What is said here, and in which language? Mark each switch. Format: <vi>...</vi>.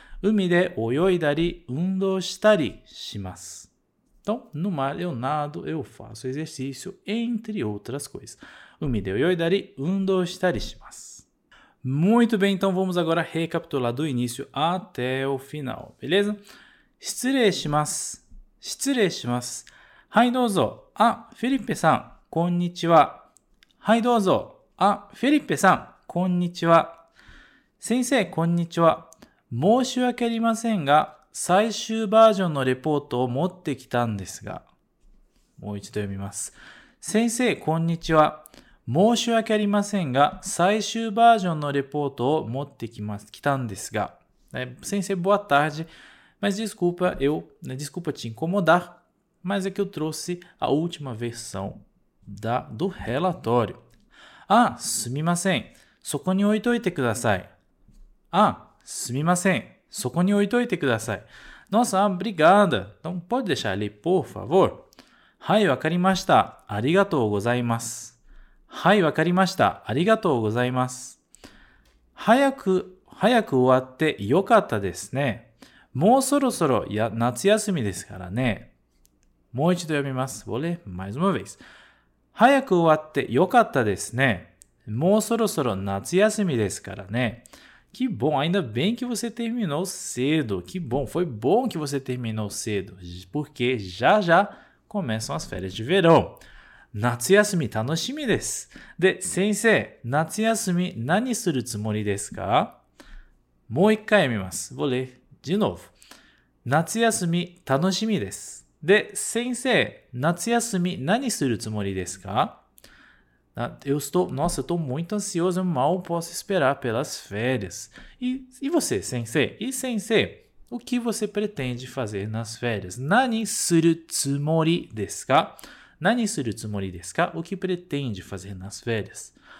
<ja>Umi de oyoi dari undou shitari shimasu.</ja> <pt>Então, no mar eu nado, eu faço exercício, entre outras coisas.</pt> <ja>Umi de oyoi dari undou shitari shimasu.</ja> <pt>Muito bem, então vamos agora recapitular do início até o final, beleza?</pt> <ja>失礼します。失礼します。はい、どうぞ。あ、フィリッペさん、こんにちは。はい、どうぞ。あ、フィリッペさん、こんにちは。先生、こんにちは。申し訳ありませんが、最終バージョンのレポートを持ってきたんですが。もう一度読みます。先生、こんにちは。申し訳ありませんが、最終バージョンのレポートを持ってきたんですが、先生、</ja> <pt>boa tarde. Mas desculpa, desculpa te incomodar, mas é que eu trouxe a última versão do relatório.</pt> <ja>Ah, すみません。そこに置いといてください。Ah, すみません。そこに置いといてください。</ja> <pt>Nossa, obrigada. Então, pode deixar ali, por favor?</pt> <ja>はい、わかりました。ありがとうございます。はい、わかりました。ありがとうございます。早く終わってよかったですね。もうそろそろ夏休みですからね。もう一度読みます。</ja> <pt>Vou ler mais uma vez。</pt> <ja>早く終わってよかったですね。もうそろそろ夏休みですからね。</ja> <pt>Que bom, ainda bem que você terminou cedo. Que bom, foi bom que você terminou cedo. Porque já já começam as férias de verão.</pt> <ja>夏休み楽しみです。で、先生、夏休み何するつもりですか？もう一回読みます。</ja> <pt>Vou ler de novo.</pt> <ja>夏休み楽しみです。で、先生、夏休み何するつもりですか？</ja> <pt>Eu estou muito ansioso, eu mal posso esperar pelas férias. E você, sensei? E sensei, o que você pretende fazer nas férias?</pt> <ja>Nani suru tsumori desu ka? Nani suru tsumori desu ka?</ja> <pt>O que pretende fazer nas férias?</pt>